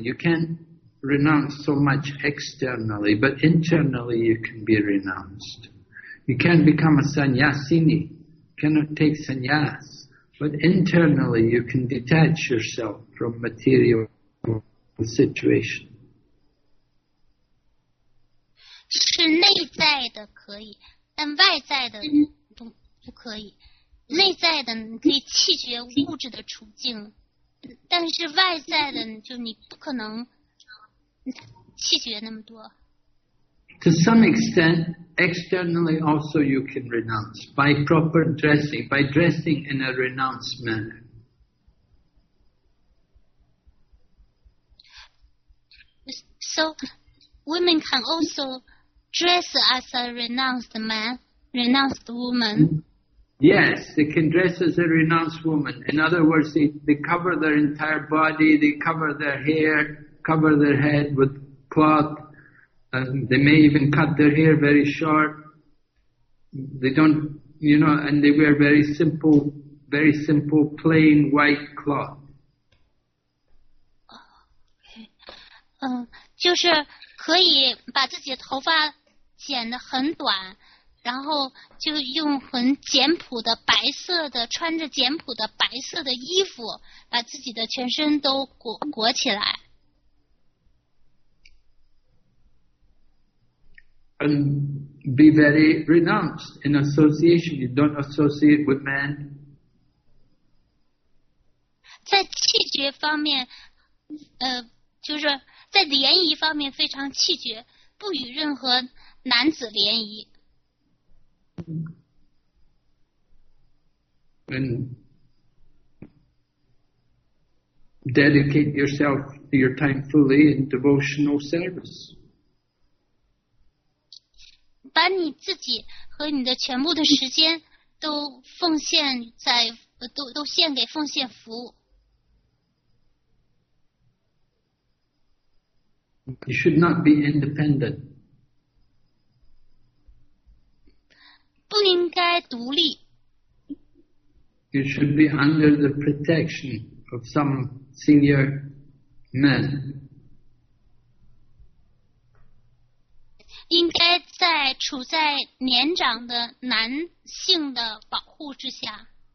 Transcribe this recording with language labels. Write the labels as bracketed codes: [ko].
[en] You can't renounce so much externally, but internally you can be renounced. You can't become a sannyasini, cannot take sannyas, but internally you can detach yourself from material situation. [zh] 是内在的可以，但外在的不可以。内在的你可以弃绝物质的处境，但是外在的就你不可能弃绝那么多。 [en] To some extent, externally also you can renounce by proper dressing, by dressing in a renounced manner. [zh] 所以 [en] women can also. Dress as a renounced man, renounced woman. Yes, they can dress as a renounced woman. In other words, they cover their entire body, they cover their hair, cover their head with cloth. They may even cut their hair very short. They don't, you know, and they wear very simple, plain white cloth. [zh] 就是可以把自己头发剪得很短，然后就用很简朴的白色的，穿着简朴的白色的衣服，把自己的全身都裹起来。 [en] And be very renounced in association. You don't associate with men. [zh] 在气绝方面，就是在联谊方面非常气绝，不与任何男子联谊。 [en] And dedicate yourself, your time fully in devotional service. [zh] 把你自己和你的全部的时间都奉献在，都献给奉献服务。 [en] You should not be independent. [zh] 不应该独立。 [en] You should be under the protection of some senior man. [zh] 应该在处在年长的男性的保护之下。